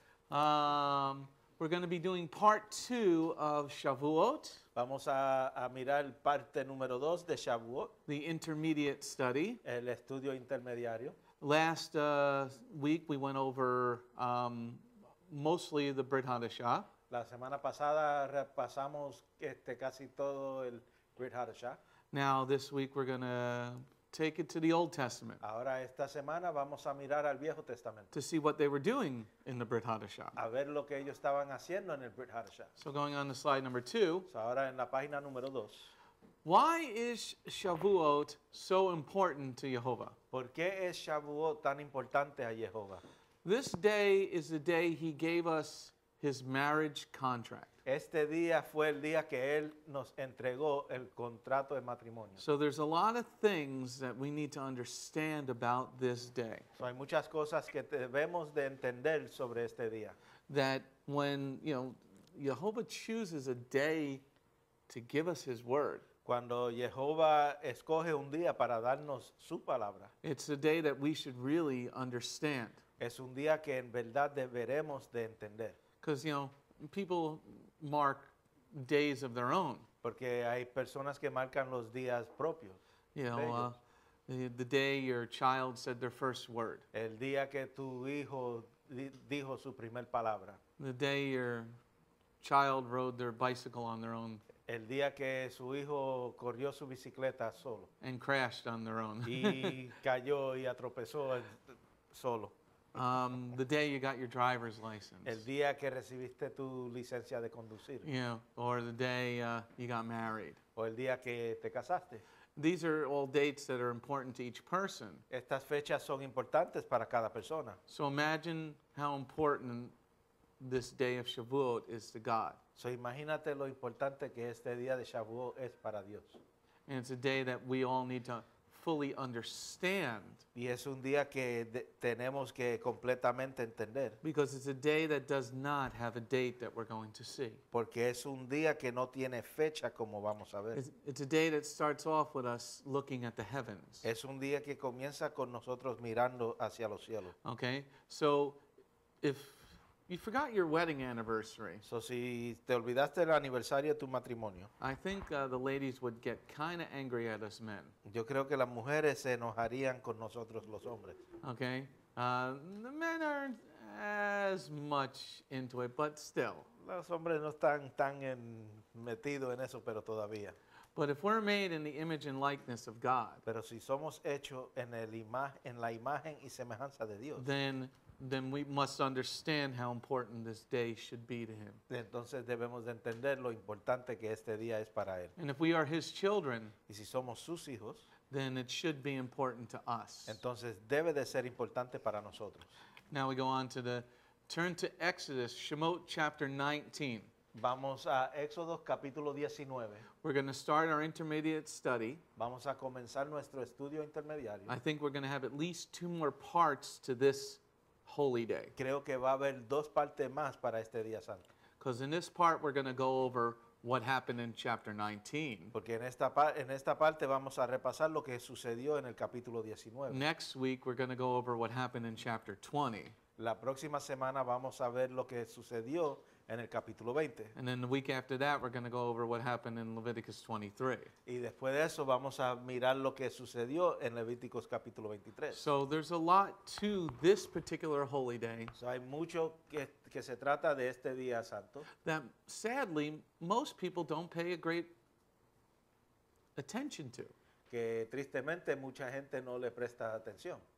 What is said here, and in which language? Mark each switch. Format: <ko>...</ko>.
<en>We're going to be doing part two of Shavuot.</en> <es>Vamos a mirar parte número dos de Shavuot.</es> <en>The intermediate study.</en> <es>El estudio intermediario.</es> <en>Last week we went over mostly the Brit Hadashah.</en> <es>La semana pasada repasamos casi todo el Brit Hadashah.</es> <en>Now this week we're going to take it to the Old Testament.</en> <es>Ahora esta semana vamos a mirar al Viejo Testamento.</es> <en>To see what they were doing in the Brit Hadashah.</en> <es>A ver lo que ellos estaban haciendo en el Brit Hadashah.</es> <en>So going on to slide number two.</en> <es>So ahora en la página número dos.</es> <en>Why is Shavuot so important to Jehovah?</en> <es>¿Por qué es Shavuot tan importante a Jehovah?</es> <en>This day is the day He gave us His marriage contract.</en> <es>Este día fue el día que él nos entregó el contrato de matrimonio.</es> <en>So there's a lot of things that we need to understand about this day.</en> <es>So hay muchas cosas que debemos de entender sobre este día.</es> <en>That when, you know, Jehovah chooses a day to give us His word.</en> <es>Cuando Jehová escoge un día para darnos su palabra.</es> <en>It's a day that we should really understand.</en> <es>Es un día que en verdad deberemos de entender.</es> <en>Because, you know, people mark days of their own.</en> <es>Porque hay personas que marcan los días propios.</es> <en>You know, the day your child said their first word.</en> <es>El día que tu hijo dijo su primer palabra.</es> <en>The day your child rode their bicycle on their own.</en> <es>El día que su hijo corrió su bicicleta solo.</es> <en>And crashed on their own.</en> <es>Y cayó y atropezó solo.</es> <en>The day you got your driver's license.</en> <es>El día que recibiste tu licencia de conducir.</es> <en>Yeah, or the day you got married.</en> <es>O el día que te casaste.</es> <en>These are all dates that are important to each person.</en> <es>Estas fechas son importantes para cada persona.</es> <en>So imagine how important this day of Shavuot is to God.</en> <es>So imagínate lo importante que este día de Shavuot es para Dios.</es> <en>And it's a day that we all need to fully understand.</en> <es>Y es un día que tenemos que completamente entender.</es> <en>Because it's a day that does not have a date that we're going to see.</en> <es>Porque es un día que no tiene fecha como vamos a ver.</es> <en>It's a day that starts off with us looking at the heavens.</en> <es>Es un día que comienza con nosotros mirando hacia los cielos.</es> <en>Okay, so if you forgot your wedding anniversary.</en> <es>So si te olvidaste el aniversario de tu matrimonio.</es> <en>I think the ladies would get kind of angry at us men.</en> <es>Yo creo que las mujeres se enojarían con nosotros los hombres.</es> <en>Okay. The men aren't as much into it, but still.</en> <es>Los hombres no están tan metidos en eso, pero todavía.</es> <en>But if we're made in the image and likeness of God.</en> <es>Pero si somos hechos en el en la imagen y semejanza de Dios.</es> <en>Then we must understand how important this day should be to Him.</en> <es>Entonces debemos de entender lo importante que este día es para Él.</es> <en>And if we are His children,</en> <es>y si somos sus hijos,</es> <en>then it should be important to us.</en> <es>Entonces debe de ser importante para nosotros.</es> <en>Now we go on to the, turn to Exodus, Shemot chapter 19.</en> <es>Vamos a Éxodo capítulo 19.</es> <en>We're going to start our intermediate study.</en> <es>Vamos a comenzar nuestro estudio intermediario.</es> <en>I think we're going to have at least two more parts to this Holy Day.</en> <es>Creo que va a haber dos partes más para este día santo.</es> <en>Because in this part we're going to go over what happened in chapter 19.</en> <es>Porque en esta parte vamos a repasar lo que sucedió en el capítulo 19.</es> <en>Next week we're going to go over what happened in chapter 20.</en> <es>La próxima semana vamos a ver lo que sucedió en el capítulo 20.</es> <en>And then the week after that we're going to go over what happened in Leviticus 23.</en> <es>Y después de eso vamos a mirar lo que sucedió en Levíticos capítulo 23.</es> <en>So there's a lot to this particular holy day.</en> <es>So hay mucho que se trata de este día santo.</es> <en>That sadly most people don't pay a great attention to.</en> <es>Que tristemente mucha gente no le presta atención.</es>